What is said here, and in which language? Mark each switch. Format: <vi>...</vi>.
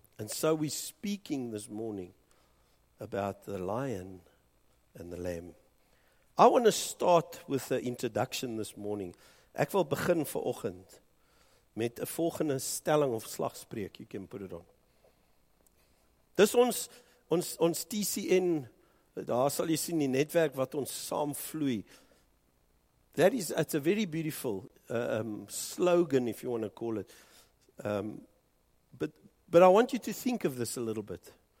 <en>And so we speaking this morning about the lion and the lamb. I want to start with the introduction this morning.</en> <af>Ek wil begin vanoggend met 'n volgende stelling of slagspreuk.</af> <en>You can put it on.</en> <af>Dis ons TCN, daar sal jy sien die netwerk wat ons saam vloei.</af> <en>That is, it's a very beautiful slogan, if you want to call it. But I want you to think of this a little bit.</en>